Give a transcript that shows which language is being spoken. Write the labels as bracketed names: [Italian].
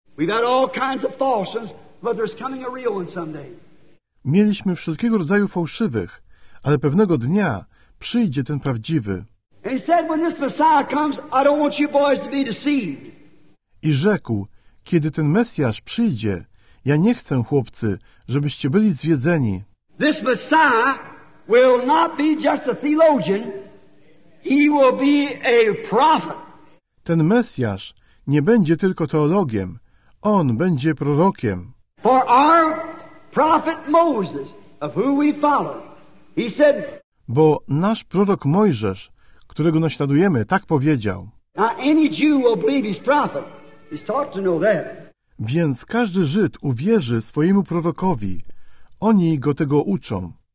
[English] We've had all kinds of false ones, but there's coming a real one someday. [Polish] Mieliśmy wszelkiego rodzaju fałszywych, ale pewnego dnia przyjdzie ten prawdziwy. [English] And he said, "When this Messiah comes, I don't want you boys to be deceived." [Polish] I rzekł: "Kiedy ten Mesjasz przyjdzie, ja nie chcę, chłopcy, żebyście byli zwiedzeni." [English] This Messiah will not be just a theologian. He will be a prophet. [Polish] Ten Mesjasz nie będzie tylko teologiem. On będzie prorokiem. [English] For our prophet Moses, of who we follow, he said. [Polish] Bo nasz prorok Mojżesz, którego naśladujemy, tak powiedział. [English] Now, any Jew will believe his prophet. He's taught to know that. [Polish] Więc każdy Żyd uwierzy swojemu prorokowi. Oni go tego uczą.